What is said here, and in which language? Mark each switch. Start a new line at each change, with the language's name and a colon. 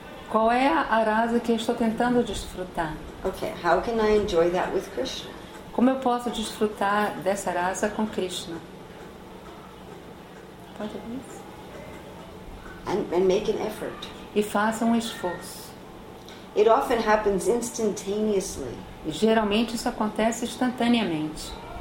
Portuguese: Qual é a rasa que eu estou tentando desfrutar?
English: Okay, how can I enjoy that with Krishna?
Portuguese: Como eu posso desfrutar dessa rasa com Krishna? Pode ver isso?
English: And make an effort.
Portuguese: E faça um esforço.
English: It often happens instantaneously.
Portuguese: Geralmente isso acontece instantaneamente.